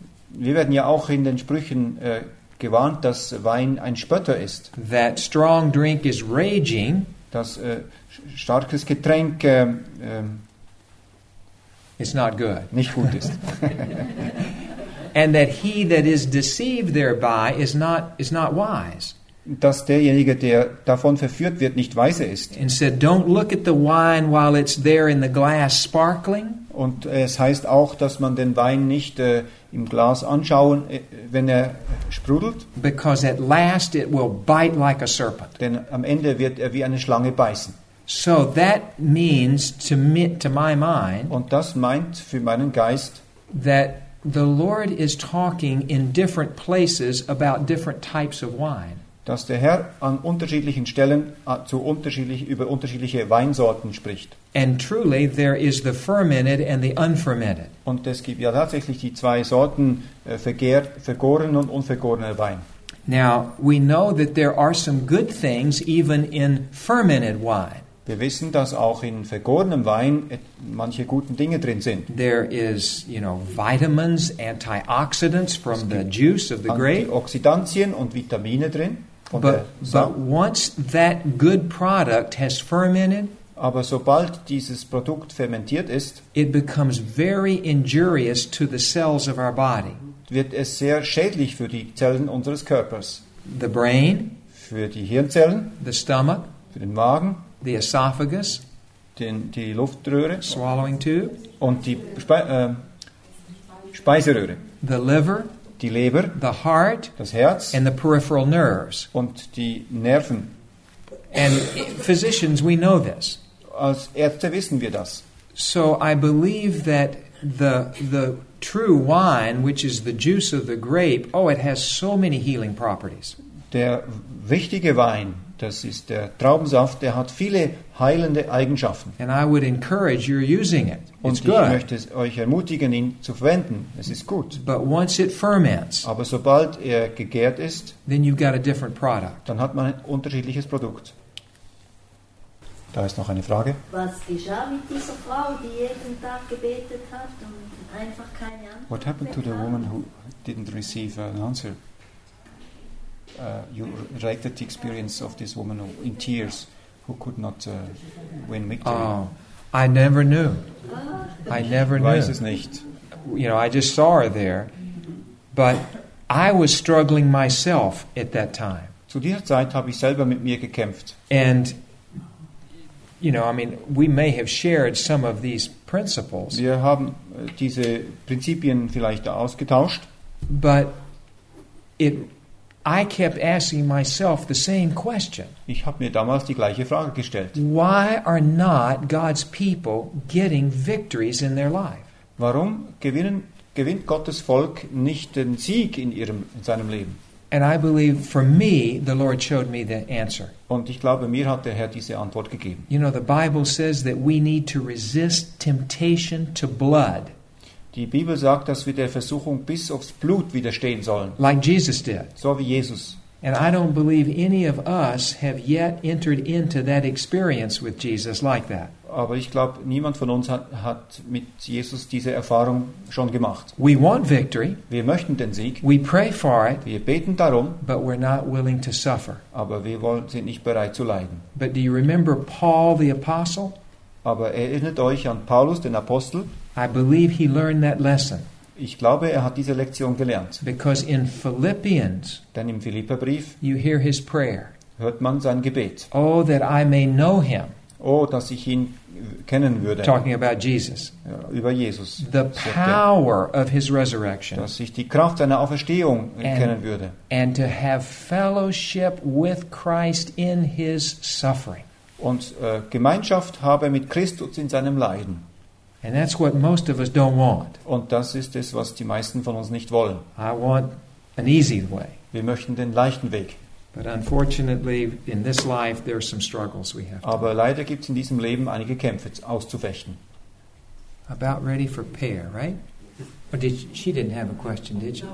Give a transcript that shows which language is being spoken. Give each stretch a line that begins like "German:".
German: Wir werden ja auch in den Sprüchen gewarnt, dass Wein ein Spötter ist.
English: That strong drink is raging.
German: Das starkes Getränk
English: is not good.
German: Nicht gut ist.
English: And that he that is deceived thereby is not wise.
German: Dass derjenige, der davon verführt wird, nicht weise ist.
English: And said, don't look at the wine while it's there in the glass sparkling.
German: Und es heißt auch, dass man den Wein nicht im Glas anschauen, wenn er sprudelt.
English: Because at last it will bite like a serpent.
German: Denn am Ende wird er wie eine Schlange beißen.
English: So that means to my mind.
German: Und das meint für meinen Geist,
English: that the Lord is talking in different places about different types of wine.
German: Dass der Herr an unterschiedlichen Stellen über unterschiedliche Weinsorten spricht.
English: And truly there is the fermented and the unfermented.
German: Und es gibt ja tatsächlich die zwei Sorten vergorenen und unvergorenen Wein.
English: Now we know that there are some good things even in fermented wine.
German: Wir wissen, dass auch in vergorenem Wein manche guten Dinge drin sind.
English: There is, you know, vitamins, antioxidants from the juice of the grape.
German: Antioxidantien und Vitamine drin.
English: But once that good product has fermented,
German: aber sobald dieses Produkt fermentiert ist,
English: it becomes very injurious to the cells of our body.
German: Wird es sehr schädlich für die Zellen unseres Körpers.
English: The brain,
German: für die Hirnzellen,
English: the stomach,
German: für den Magen,
English: the esophagus,
German: die Luftröhre,
English: swallowing tube,
German: und die Speiseröhre,
English: the liver,
German: die Leber,
English: the heart,
German: das Herz,
English: and the peripheral nerves,
German: und die Nerven.
English: And physicians, we know this.
German: Als Ärzte wissen wir das.
English: So I believe that the true wine, which is the juice of the grape, oh, it has so many healing properties.
German: Der wichtige Wein, das ist der Traubensaft, der hat viele heilende Eigenschaften.
English: And I would encourage you using it.
German: Und
English: it's good.
German: Ich möchte euch ermutigen, ihn zu verwenden. Es ist gut.
English: But once it ferments,
German: aber sobald er gegärt ist,
English: then you've got a different product.
German: Dann hat man ein unterschiedliches Produkt. Da ist noch eine Frage. Was geschah mit dieser Frau, die jeden Tag gebetet hat und einfach keine Antwort bekam?
English: What happened to the woman who didn't receive an answer? You related the experience of this woman in tears who could not win victory. Oh, I never knew. I never knew.
German: Weiß es nicht.
English: You know, I just saw her there. But I was struggling myself at that time.
German: Zu dieser Zeit habe ich selber mit mir gekämpft.
English: And, you know, I mean, we may have shared some of these principles.
German: Wir haben diese Prinzipien vielleicht ausgetauscht.
English: But I kept asking myself the same question.
German: Ich habe mir damals die gleiche Frage gestellt.
English: Why are not God's people getting victories in their life?
German: Warum gewinnt Gottes Volk nicht den Sieg in seinem Leben?
English: And I believe for me the Lord showed me the answer.
German: Und ich glaube, mir hat der Herr diese Antwort gegeben.
English: You know, the Bible says that we need to resist temptation to blood.
German: Die Bibel sagt, dass wir der Versuchung bis aufs Blut widerstehen sollen.
English: Like Jesus did.
German: So wie Jesus.
English: And I don't believe any of us have yet entered into that experience with Jesus like that.
German: Aber ich glaube, niemand von uns hat mit Jesus diese Erfahrung schon gemacht.
English: We want victory.
German: Wir möchten den Sieg.
English: We pray for it.
German: Wir beten darum.
English: But we're not willing to suffer.
German: Aber wir sind nicht bereit zu leiden.
English: But do you remember Paul the Apostle?
German: Aber erinnert euch an Paulus, den Apostel.
English: I believe he learned that lesson.
German: Ich glaube, er hat diese Lektion gelernt.
English: Because in Philippians,
German: denn im Philipperbrief,
English: you hear his prayer.
German: Hört man sein Gebet.
English: Oh, that I may know him.
German: Oh, dass ich ihn kennen würde.
English: Talking about Jesus.
German: Über Jesus.
English: The power of his resurrection.
German: Dass ich die Kraft seiner Auferstehung kennen würde.
English: And to have fellowship with Christ in his suffering.
German: Und Gemeinschaft habe mit Christus in seinem Leiden.
English: And that's what most of us don't want.
German: Und das ist es, was die meisten von uns nicht wollen.
English: I want an easy way.
German: Wir möchten den leichten Weg.
English: But unfortunately, in this life, there are some struggles we have.
German: Aber leider gibt's in diesem Leben einige Kämpfe auszufechten.
English: About ready for prayer, right? Or did she didn't have a question, did she?